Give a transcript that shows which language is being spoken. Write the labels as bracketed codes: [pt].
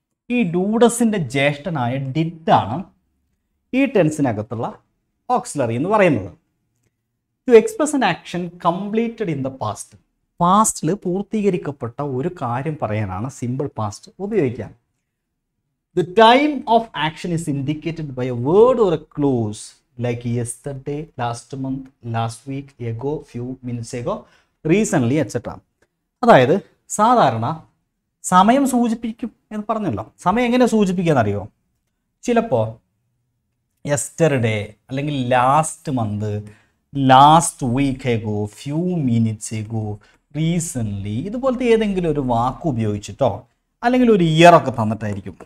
[ml] ഈ ഡൂഡസിൻ്റെ ജ്യേഷ്ഠനായ ഡിഡാണ് ഈ ടെൻസിനകത്തുള്ള ഓക്സിലറി എന്ന് പറയുന്നത്. [en] to express an action completed in the past, [ml] പാസ്റ്റിൽ പൂർത്തീകരിക്കപ്പെട്ട ഒരു കാര്യം പറയാനാണ് സിമ്പിൾ പാസ്റ്റ് ഉപയോഗിക്കാൻ. [en] The time of action is indicated by a word or a clause like yesterday, last month, last week, ago, few minutes ago, recently, etc. [ml] അതായത് സാധാരണ സമയം സൂചിപ്പിക്കും എന്ന് പറഞ്ഞല്ലോ. സമയം എങ്ങനെ സൂചിപ്പിക്കുക എന്നറിയോ? ചിലപ്പോൾ യെസ്റ്റർഡേ അല്ലെങ്കിൽ last month, last week ago, few minutes ago, റീസൻ്റ്ലി, ഇതുപോലത്തെ ഏതെങ്കിലും ഒരു വാക്ക് ഉപയോഗിച്ചിട്ടോ അല്ലെങ്കിൽ ഒരു ഇയറൊക്കെ തന്നിട്ടായിരിക്കും.